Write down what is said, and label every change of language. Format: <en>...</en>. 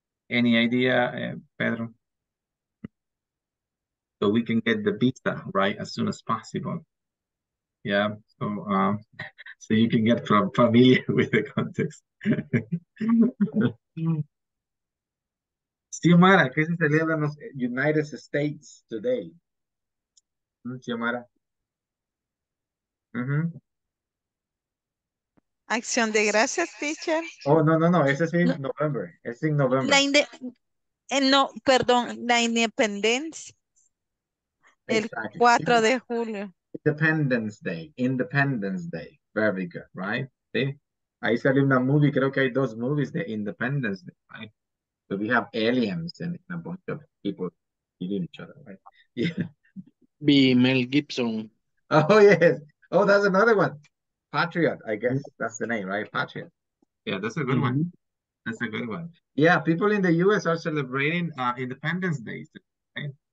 <en>Any idea, Pedro? So we can get the visa, right, as soon as possible. Yeah, so you can get from familiar with the context.</en> <es>Xiomara, ¿qué se celebra en los United States today? Xiomara. Acción de gracias, teacher. Oh, no, ese es en No. noviembre. Es en La noviembre. inde no, perdón, la independencia. El</es> <en>Exactly.</en> <es>4 de julio.</es> <en>Independence Day. Independence Day. Very good, right? ¿Sí?</en> <es>Ahí salió una movie, creo que hay dos movies de Independence Day, right?</es> <en>So we have aliens and a bunch of people killing each other, right? Yeah.</en> <es>Vi Mel Gibson.</es> <en>Oh, yes. Oh, that's another one. Patriot, I guess. That's the name, right? Patriot. Yeah, that's a good one. That's a good one. Yeah, people in the US are celebrating Independence Day, right?</en>